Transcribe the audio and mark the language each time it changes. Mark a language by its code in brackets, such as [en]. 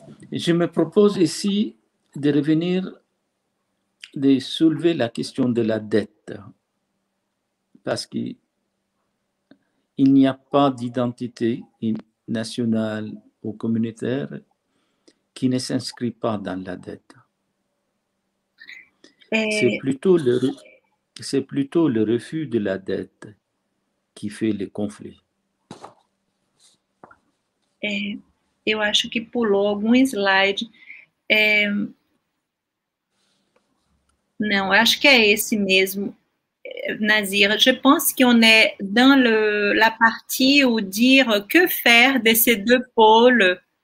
[fr] Je me propose ici de revenir, de soulever la question de la dette, parce que il n'y a pas d'identité nationale ou communautaire qui ne s'inscrit pas dans la dette. C'est plutôt le refus de la dette qui fait le conflit. [pt] Eu acho que pulou algum slide. Não, acho que é esse mesmo. [fr] Nazir, je pense qu'on est dans la partie où dire que faire de ces deux pôles.